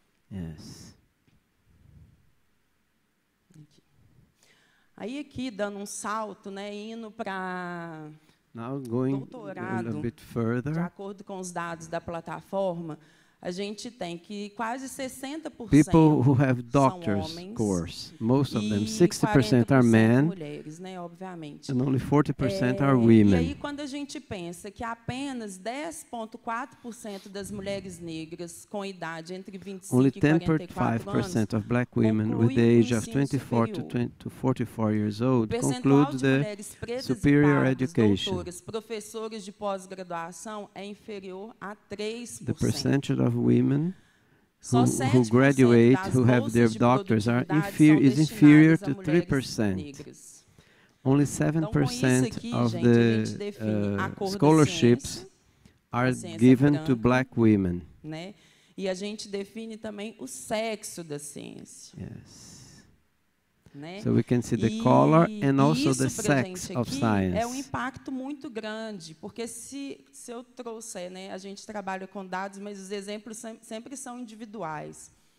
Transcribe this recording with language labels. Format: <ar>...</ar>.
<en>Yes.</en> <pt>Aí aqui, dando um salto, né, indo para...</pt> <en>Now going</en> <pt>doutorado,</pt> <en>a bit further.</en> <pt>De acordo com os dados da plataforma, a gente tem que quase 60%</pt> <en>people who have doctors course, most of them 60% are men,</en> <pt>mulheres, né, obviamente.</pt> <en>And only 40% are women.</en> <pt>E aí quando a gente pensa que apenas 10.4% das mulheres negras com idade entre 25 e 44 anos,</pt> <en>with the age of 24 to 44 years old, conclude the superior education.</en> <pt>Doutoras, professoras de pós-graduação é inferior a 3%.</pt> <en>The percentage of women who graduate, who have their doctors, are inferior, is inferior to 3%. Only 7% of the scholarships are given to black women.</en> <pt>E a gente define também o sexo da ciência.</pt> <en>Yes. So we can see the color and also the sex of science.</en> <pt>É um impacto muito grande, porque se eu trouxer, né, a gente trabalha com dados, mas os exemplos sempre são individuais.</pt>